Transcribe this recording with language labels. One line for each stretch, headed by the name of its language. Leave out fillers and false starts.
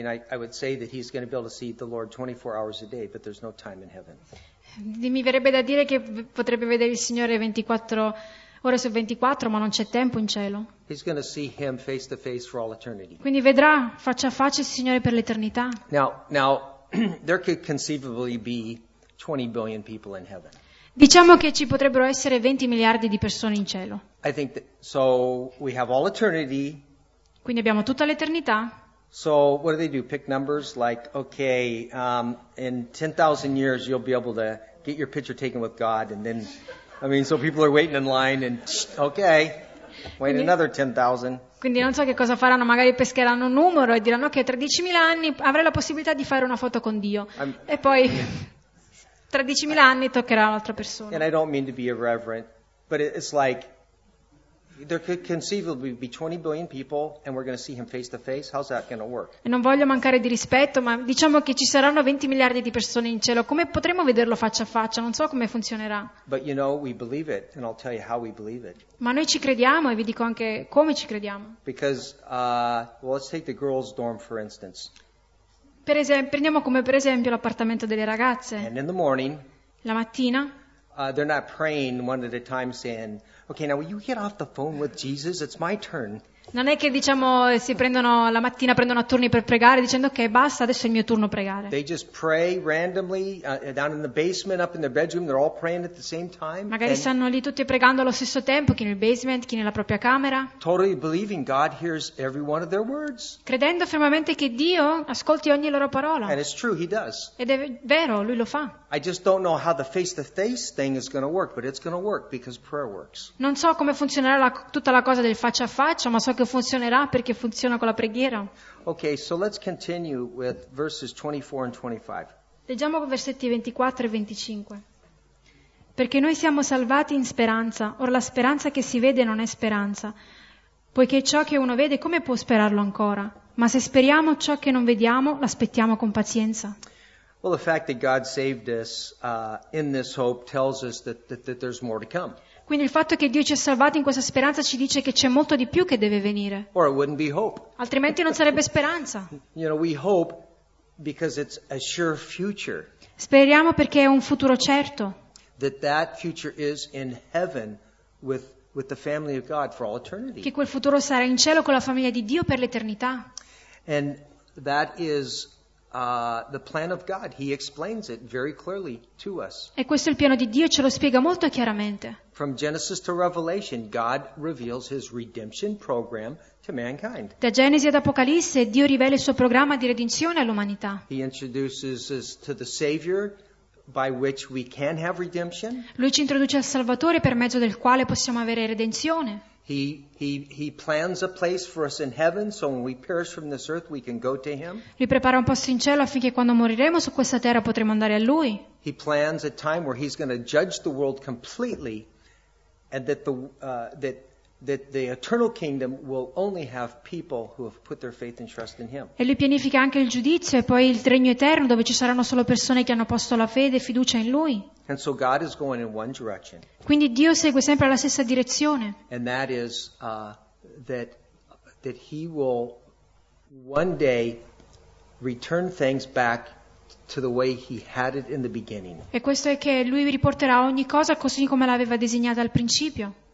English: I would say that he's going to be able to see the Lord 24 hours a day, but there's no time in heaven.
Italian: Mi verrebbe da dire che potrebbe vedere il Signore 24 ore su 24, ma non c'è tempo in cielo.
English: He's going to see him face to face for all eternity.
Italian: Quindi vedrà faccia a faccia il Signore per l'eternità.
English: Now there could conceivably be 20 billion people in heaven.
Italian: Diciamo che ci potrebbero essere 20 miliardi di persone in cielo.
English: I think that, so we have all eternity.
Italian: Quindi abbiamo tutta l'eternità.
English: So what do? Pick numbers like, okay, in 10,000 years you'll be able to get your picture taken with God, and then, I mean, so people are waiting in line and okay, wait another 10,000.
Italian: Quindi non so che cosa faranno, magari pescheranno un numero e diranno che okay, 13.000 anni avrei la possibilità di fare una foto con Dio. E poi 13.000 anni toccherà un'altra persona.
English: And I don't mean to be irreverent, but it's like there could conceivably be 20 billion people and we're going to see him face to face. How's that going to work?
Italian: E non voglio mancare di rispetto, ma diciamo che ci saranno 20 miliardi di persone in cielo. Come potremo vederlo faccia a faccia? Non so come funzionerà.
English: But you know, we believe it, and I'll tell you how we believe it.
Italian: Ma noi ci crediamo e vi dico anche come ci crediamo.
English: Because let's take the girls' dorm for instance.
Italian: Prendiamo come per esempio l'appartamento delle ragazze.
English: And in the morning,
Italian: la mattina,
English: They're not praying one at a time saying, okay, now will you get off the phone with Jesus? It's my turn.
Italian: Non è che diciamo si prendono la mattina, prendono a turni per pregare dicendo ok, basta, adesso è il mio turno pregare.
English: They just pray randomly down in the basement, up in their bedroom, they're all praying at the same time.
Italian: Magari stanno lì tutti pregando allo stesso tempo, chi nel basement, chi nella propria camera.
English: Totally believing God hears every one of their words.
Italian: Credendo fermamente che Dio ascolti ogni loro parola.
English: And it's true, he does.
Italian: Ed è vero, lui lo fa.
English: I just don't know how the face-to-face thing is going to work, but it's going to work because prayer works.
Italian: Non so come funzionerà tutta la cosa del faccia a faccia, ma so che funzionerà perché funziona con la preghiera.
English: Okay, so let's continue with verses 24 and 25.
Italian: Leggiamo versetti 24 e 25. Perché noi siamo salvati in speranza, or la speranza che si vede non è speranza, poiché ciò che uno vede come può sperarlo ancora? Ma se speriamo ciò che non vediamo, l'aspettiamo con pazienza.
English: Well, the fact that God saved us in this hope tells us that there's more to come.
Italian: Quindi il fatto che Dio ci ha salvati in questa speranza ci dice che c'è molto di più che deve venire.
English: Or it wouldn't be hope.
Italian: Altrimenti non sarebbe speranza.
English: You know, we hope because it's a sure future.
Italian: Speriamo perché è un futuro certo.
English: That future is in heaven with the family of God for all eternity.
Italian: Che quel futuro sarà in cielo con la famiglia di Dio per l'eternità.
English: And that is the plan of God. He explains it very clearly to us.
Italian: E questo è il piano di Dio, ce lo spiega molto chiaramente.
English: From Genesis to Revelation, God reveals His redemption program to mankind.
Italian: Da Genesi ad Apocalisse, Dio rivela il suo programma di redenzione all'umanità.
English: He introduces us to the Savior, by which we can have redemption.
Italian: Lui ci introduce al Salvatore per mezzo del quale possiamo avere redenzione.
English: He plans a place for us in heaven, so when we perish from this earth, we can go to Him.
Italian: Lui prepara un posto in cielo affinché quando moriremo su questa terra potremo andare a Lui.
English: He plans a time where He's going to judge the world completely, and that the eternal kingdom will only have people who have put their faith and trust in Him.
Italian: E Lui pianifica anche il giudizio e poi il regno eterno dove ci saranno solo persone che hanno posto la fede e fiducia in Lui.
English: And so God is going in one direction.
Italian: Quindi Dio segue sempre la stessa direzione.
English: And that is that He will one day return things back to the way He had it in the beginning.
Italian: E questo è che Lui riporterà ogni cosa così come l'aveva disegnata al principio.